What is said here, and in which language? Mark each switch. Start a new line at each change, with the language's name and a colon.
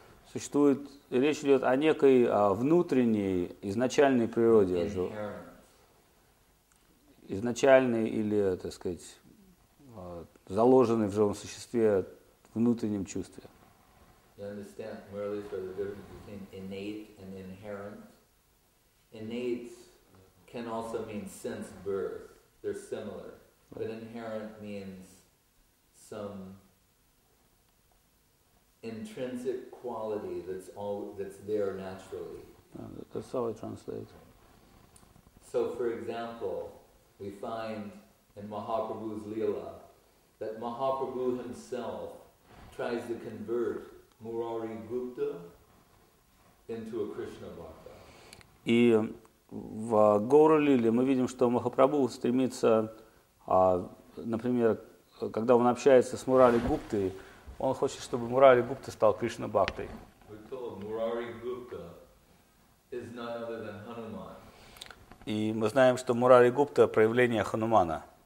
Russian: Существует, речь идет о некой внутренней, изначальной природе. Изначальный или, так сказать, заложенный в живом существе внутренним чувстве.
English: You understand, merely for the difference between innate and inherent. Innate can also mean since birth. They're similar. But inherent means some intrinsic quality that's there naturally. That's how I translate. So, for example, we find in Mahaprabhu's Leela that Mahaprabhu himself tries to convert Murari Gupta into a Krishna Bhakta.
Russian: И в Гору Лиле мы видим, что Махапрабху стремится, например, когда он общается с Мурари Гуптой, он хочет, чтобы Мурари Гупта стал Кришна Бхактой.
English: We're told Murari Gupta is none other than Hanuman.
Russian: И мы знаем, что Мурари Гупта – проявление Ханумана.